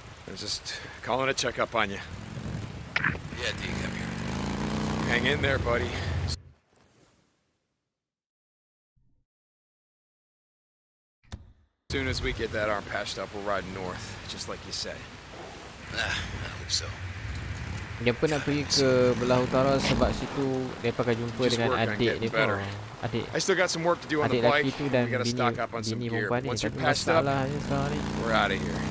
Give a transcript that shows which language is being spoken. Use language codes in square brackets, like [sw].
[en] I was just calling to check up on you. Yeah, do you come here? Hang in there, buddy. As soon as we get that arm patched up, we're riding north, just like you said. Nah, I hope so. [ms] Dia pun nak pergi ke belah utara sebab situ dia akan jumpa dengan adik dia tu. Adik. [en] I still got some work to do on the bike. We gotta stock up on some gear. Once you're patched up, we're out of here.